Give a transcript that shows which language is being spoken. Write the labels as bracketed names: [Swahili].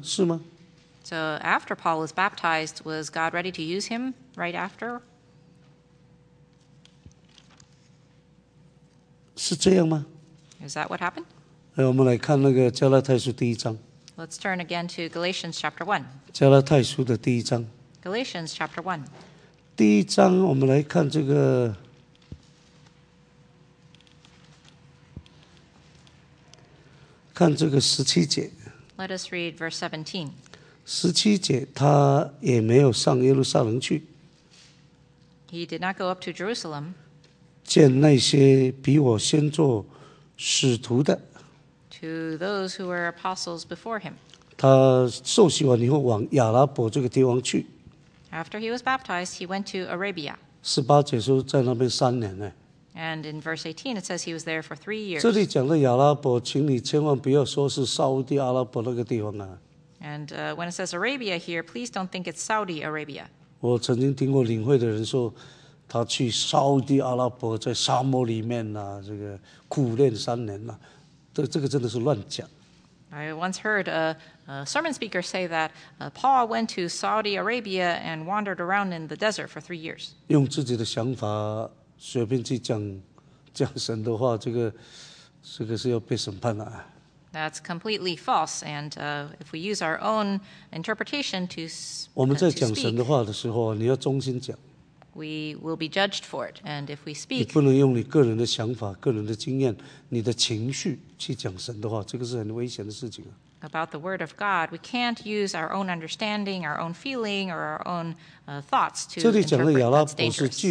[Chinese] 是吗？ [English] So after Paul was baptized, was God ready to use him right after? [Chinese] 是这样吗？ [English] Is that what happened? [Chinese] 我们来看那个加拉太书第一章。 [English] Let's turn again to Galatians chapter 1. [Chinese] 加拉太书的第一章。 [English] Galatians chapter 1. [Chinese] 第一章我们来看这个十七节。 [English] Let us read verse 17. [Chinese] 十七节他也没有上耶路撒冷去。 [English] He did not go up to Jerusalem. [Chinese] 见那些比我先做使徒的。 [English] To those who were apostles before him. [Chinese] 他受洗完以后往亚拉伯这个地方去。 [English] After he was baptized, he went to Arabia. [Chinese] 十八节说在那边三年呢。 [English] And in verse 18, it says he was there for 3 years. [Chinese] 这里讲的亚拉伯，请你千万不要说是沙特阿拉伯那个地方啊。 [English] And when it says Arabia here, please don't think it's Saudi Arabia. [Chinese] 我曾经听过领会的人说，他去沙特阿拉伯，在沙漠里面这个苦练三年这个真的是乱讲。 [English] I once heard a sermon speaker say that Paul went to Saudi Arabia and wandered around in the desert for 3 years. [Chinese] 用自己的想法随便去讲神的话， 这个是要被审判了。 [English] That's completely false. And if we use our own interpretation to speak, [Chinese] 我们在讲神的话的时候， 你要忠心讲。 [English] We will be judged for it. And if we speak, [Chinese] 你不能用你个人的想法， 个人的经验， 你的情绪去讲神的话， 这个是很危险的事情。 [English] About the word of God, we can't use our own understanding, our own feeling, or our own thoughts to interpret.